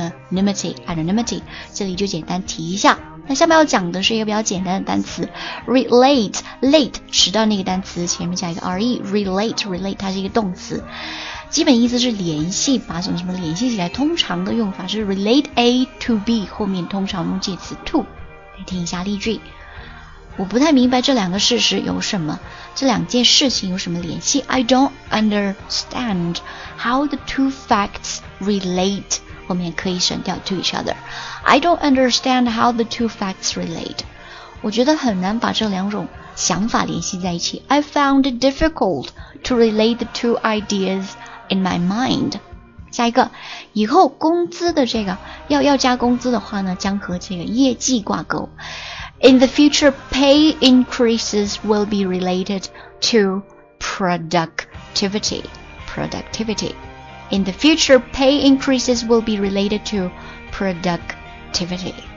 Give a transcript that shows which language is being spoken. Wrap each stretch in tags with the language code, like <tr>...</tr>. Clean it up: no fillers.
<zh>anonymity， anonymity， 这里就简单提一下。那下面要讲的是一个比较简单的单词 relate， late 迟到那个单词前面加一个 re， relate， relate， 它是一个动词，基本意思是联系，把什么什么联系起来。通常的用法是 relate A to B， 后面通常用介词 to。来听一下例句，我不太明白这两个事实有什么，这两件事情有什么联系。</zh> <en>I don't understand how the two facts relate，</en> <zh>后面可以省掉</zh> <en>to each other。 I don't understand how the two facts relate，</en> <zh>我觉得很难把这两种想法联系在一起。</zh> <en>I found it difficult to relate the two ideas in my mind。</en> <zh>下一个，以后工资的这个要加工资的话呢，将和这个业绩挂钩。</zh> <en>In the future, pay increases will be related to productivity. Productivity. In the future, pay increases will be related to productivity.</en>